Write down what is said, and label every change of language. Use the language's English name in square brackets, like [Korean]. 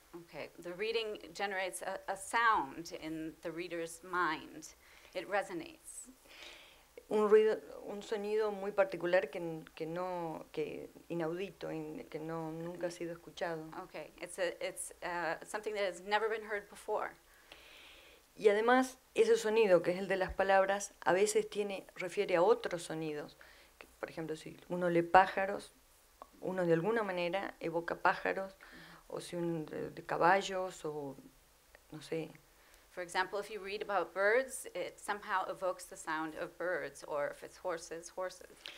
[English] Okay, the reading generates a sound in the reader's mind. It resonates. [Spanish] Un sonido muy particular que inaudito, que no nunca ha sido escuchado. [English] Okay, it's something that has never been heard before. [Spanish] Y además, ese sonido que es el de las palabras a veces refiere a otros sonidos. Por ejemplo, si uno lee pájaros, uno de alguna manera evoca pájaros, o si uno de caballos, o no sé. [English] For example, if you read about birds, it somehow evokes the sound of birds, or if it's horses, horses.